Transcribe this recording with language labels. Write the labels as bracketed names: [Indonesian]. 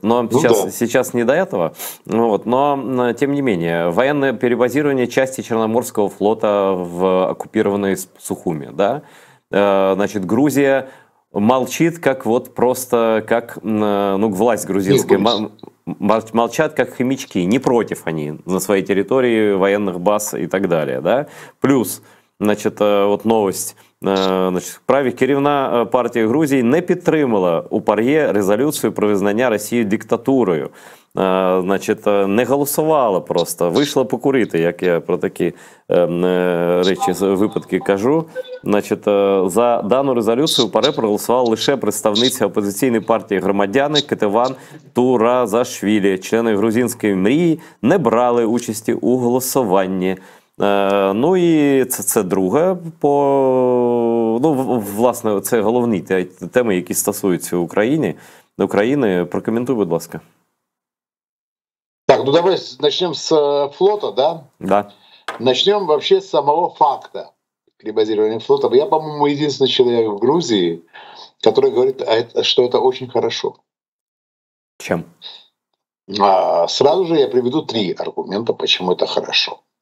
[Russian] Но сейчас не до этого. Вот. Но, тем не менее, военное перебазирование части Черноморского флота в оккупированной Сухуми. Да? Значит, Грузия... Молчит, как вот просто, как, ну, власть грузинская, молчат, как хомячки, не против они на своей территории военных баз и так далее, да? Плюс, Значит, от новость. [Ukrainian] Значит, праві керівна партії Грузії не підтримала у ПАРЄ резолюцію про визнання Росії диктатурою. Значить, не голосувала просто, вийшла покурити, як я про такі речі, випадки кажу. Значить, за дану резолюцію ПАРЄ проголосувала лише представниця опозиційної партії громадяни Кетеван Туразашвілі. Члени грузинської мрії не брали участі у голосуванні. Ну і це друге по, ну, власне, це головні теми, які стосуються України. України, прокоментуй, будь ласка. [Russian] Так, ну давай начнем с флота, да? Да. Начнем вообще с самого факта перебазирования флота. Я, по-моему, единственный человек в Грузии, который говорит, что это очень хорошо. Чем? Сразу же я приведу три аргумента, почему это хорошо.